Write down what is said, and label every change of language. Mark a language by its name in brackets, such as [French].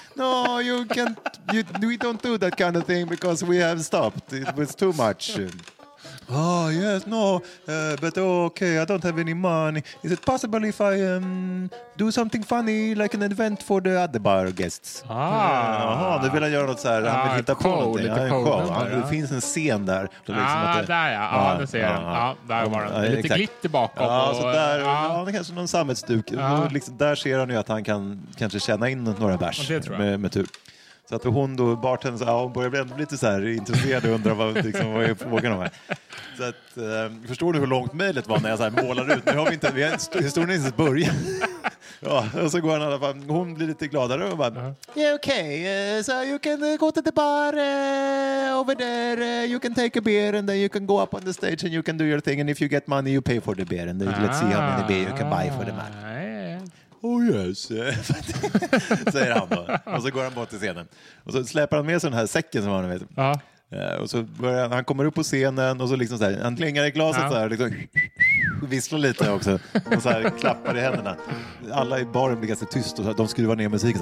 [English] No, you can't. We don't do that kind of thing because we have stopped. It was too much. Oh, yes, no, but okay, I don't have any money. Is it possible if I do something funny, like an event for the other bar guests? Ah. [Swedish] Jaha, nu vill han göra något så här. Han vill hitta på någonting. Lite cool. Ja, det finns en scen där. Ja, liksom där ja. Ja, det ser jag. Ja, där var den. Lite exakt. Glitter bakom. Ja, så där. Ja, det kanske är någon sammetsduk. Ja. Liksom, där ser han ju att han kan kanske tjäna in några bärs. Det tror jag. Med tur. Så att hon då, bartenden, så, ja, hon börjar bli ändå lite så här intresserad och undrar vad, liksom, vad är frågan om här. Så att, förstår du hur långt mejlet var när jag så här målar ut? Nu har vi inte, vi har historien inte ens börjat. Ja, och så går han i alla fall, hon blir lite gladare och bara, [English] yeah, okay, so you can go to the bar over there, you can take a beer and then you can go up on the stage and you can do your thing and if you get money you pay for the beer and then let's see how many beer you can buy for the man. Oh yes, [Swedish] säger han då. Och så går han bort till scenen. Och så släpar han med sig den här säcken som han vet. Ja. Och så börjar han kommer upp på scenen och så liksom så här, han klingar i glaset så här liksom, visslar lite också. Och så här klappar i händerna. Alla i baren blir ganska tyst och så här, de skruvar ner musiken.